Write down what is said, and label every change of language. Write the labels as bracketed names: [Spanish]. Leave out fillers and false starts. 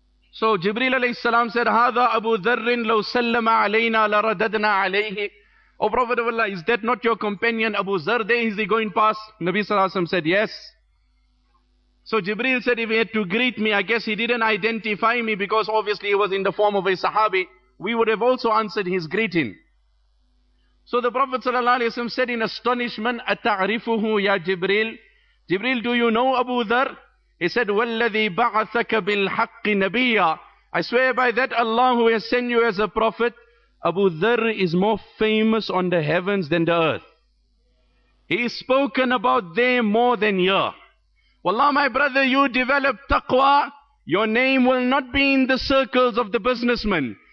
[English] So Jibreel alayhi salam said, [Arabic] هَذَا أَبُو ذَرٍ لَوْ سَلَّمَ عَلَيْنَا لَرَدَدْنَا عَلَيْهِ. [English] O Prophet of Allah, is that not your companion Abu Zarr? There is he going past? Nabi sallallahu alayhi wa sallam said, yes. So Jibreel said, if he had to greet me, I guess he didn't identify me, because obviously he was in the form of a sahabi. We would have also answered his greeting. So the Prophet sallallahu alayhi wa sallam said in astonishment, [Arabic] أَتَعْرِفُهُ يَا [English] Jibreel? Jibreel, do you know Abu Dharr? He said, [Arabic] وَالَّذِي بَعَثَكَ بِالْحَقِّ نَبِيًّا. [English] I swear by that Allah who has sent you as a prophet, Abu Dharr is more famous on the heavens than the earth. He is spoken about there more than here. Wallah, my brother, you develop taqwa, your name will not be in the circles of the businessmen.